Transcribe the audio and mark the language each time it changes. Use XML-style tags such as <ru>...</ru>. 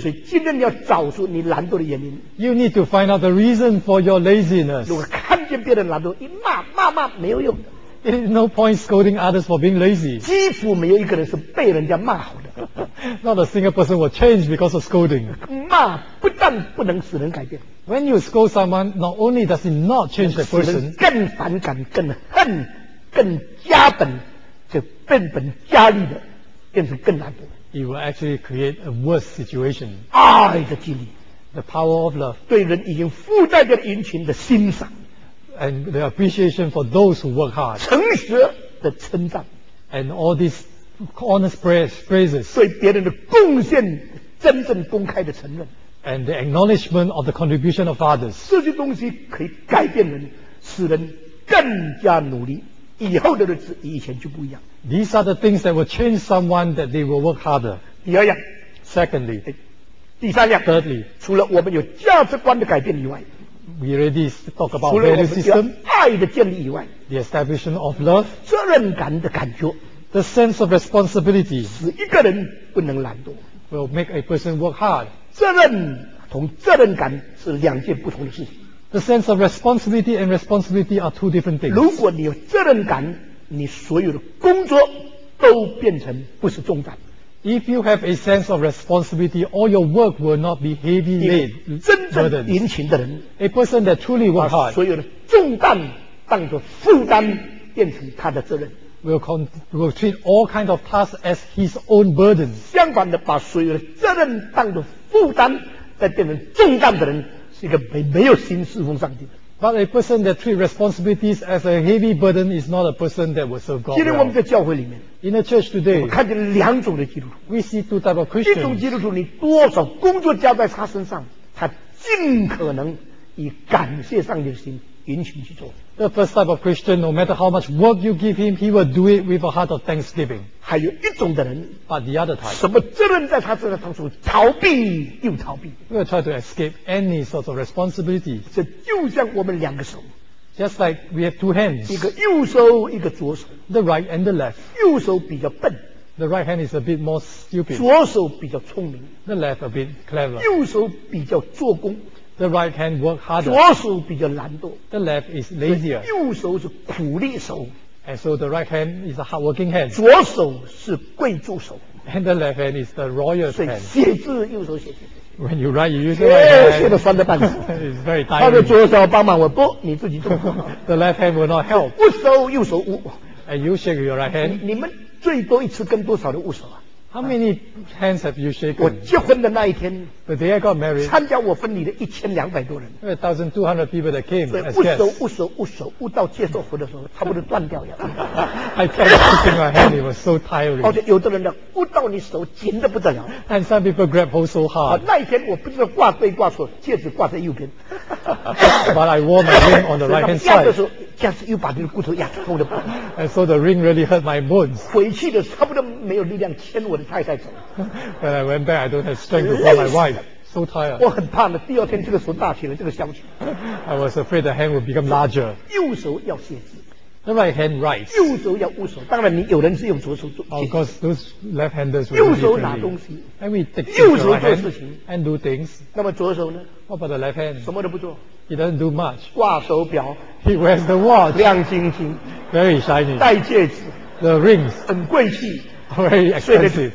<zh>所以今天你要找出你懒惰的原因。</zh> <en>You need to find out the reason for your laziness.</en> <zh>如果看见别人懒惰，一骂骂骂没有用的。</zh> <en>It is no point scolding others for being lazy.</en> <zh>几乎没有一个人是被人家骂好的。</zh> <en>Not a single person will change because of scolding.</en> <zh>骂不但不能使人改变。</zh> <en>When you scold someone, not only does it not change the person,</en> <zh>更反感、更恨、更加本，就变本加厉的，变成更难的。</zh> <en>It will actually create a worse situation.</en> <zh>爱的激励</zh> <en>the power of love,</en> <zh>对人已经附带着殷勤的欣赏</zh> <en>and the appreciation for those who work hard,</en> <zh>诚实的称赞</zh> <en>and all these honest praises,</en> <zh>对别人的贡献真正公开的承认。</zh> <en>And the acknowledgement of the contribution of others.</en> <zh>这些东西可以改变人，使人更加努力，以后的日子以前就不一样。</zh> <en>These are the things that will change someone that they will work harder.</en> <zh>第二样。</zh> <en>Secondly.</en> <zh>第三样。</zh> <en>Thirdly.</en> <zh>除了我们有价值观的改变以外。</zh> <en>We already talk about value system.</en> <zh>除了我们爱的建立以外。</zh> <en>The establishment of love.</en> <zh>责任感的感觉。</zh> <en>The sense of responsibility.</en> <zh>使一个人不能懒惰。</zh> <en>Will make a person work hard.</en> <zh>责任同责任感是两件不同的事情。</zh> <en>The sense of responsibility and responsibility are two different things.</en> <zh>如果你有责任感，你所有的工作都变成不是重担。</zh> <en>If you have a sense of responsibility, all your work will not be heavy laden.</en> <zh>真正殷勤的人</zh> <en>，a person that truly works hard，</en> <zh>把所有的重担当作负担，变成他的责任。</zh> <en>Will treat all kinds of tasks as his own burden.</en> <zh>相反的，把所有的责任当作负担，再变成重担的人，是一个没有心侍奉上帝的。</zh> <en>But a person that treats responsibilities as a heavy burden is not a person that will serve God.</en> <zh>今天我们在教会里面</zh> <en>，in the church today，</en> <zh>我们看见两种的基督徒。</zh> <en>We see two types of Christians.</en> <zh>一种基督徒，你多少工作交在他身上，他尽可能以感谢上帝的心。</zh> <en>The first type of Christian, no matter how much work you give him, he will do it with a heart of thanksgiving.</en> <zh>还有一种的人</zh> <en>But the other type,</en> <zh>什么责任在他身上，他说逃避又逃避</zh> <en>We will try to escape any sort of responsibility.</en> <zh>这就像我们两个手</zh> <en>Just like we have two hands.</en> <zh>一个右手，一个左手。</zh> <en>The right and the left.</en> <zh>右手比较笨。</zh> <en>The right hand is a bit more stupid.</en> <zh>左手比较聪明。</zh> <en>The left a bit clever.</en> <zh>右手比较做工。</zh> <en>The right hand work harder.</en> <zh>左手比较懒惰。</zh> <en>The left is lazier.</en> <zh>右手是苦力手。</zh> <en>And so the right hand is a hardworking hand.</en> <zh>左手是贵族手。</zh> <en>And the left hand is the royal hand.</en> <zh>写字右手写。</zh> <en>When you write, you use the right hand. It's very tiny.</en> <zh>他的左手帮忙我拨，你自己动。</zh> <en>The left hand will not help.</en> <zh>握手右手握。</zh> <en>And you shake your right hand.</en> <zh>你们最多一次跟多少的握手？</zh> <en>How many hands have you shaken?</en> <zh>我结婚的那一天,</zh> <en>the day I got married,</en> <zh>参加我婚礼的1200多人,</zh> <en>1200 people that came as guests.</en> <zh>握手握手握手握到接受佛的时候, 差不多断掉了。</zh> <en>I kept pushing my hand, it was so tiring.</en> <zh>有的人握到你手紧得不得了。</zh> <en>And some people grab hold so hard.</en> <zh>那一天我不知道挂对挂错, 戒指挂在右边。</zh> <en>But I wore my ring on the right hand side.</en> <zh>压的时候,这样子又把你的骨头压痛了。</zh> <en>And so the ring really hurt my bones.</en> <zh>回去的时候差不多没有力量牵我。</zh> <en>When I went back, I don't have strength to call my wife. So tired.</en> <zh>我很怕的,第二天这个手大起来,这个消息。</zh> <en>I was afraid the hand would become larger.</en> <zh>右手要写字。</zh> <en>The right hand writes.</en> <zh>右手要握手,当然你有人是用左手做。</zh> <en>Of course, those left-handers will be friendly.</en> <zh>右手拿东西。</zh> <en>And we take care of our hands and do things.</en> <zh>那么左手呢?</zh> <en>What about the left hand?</en> <zh>什么都不做。</zh> <en>He doesn't do much.</en> <zh>挂手表。</zh> <en>He wears the watch.</en> <zh>亮晶晶。</zh> <en>Very shiny.</en> <zh>戴戒指。</zh> <en>The rings.</en> <zh>很贵气。</zh> <en>Very expensive.</en>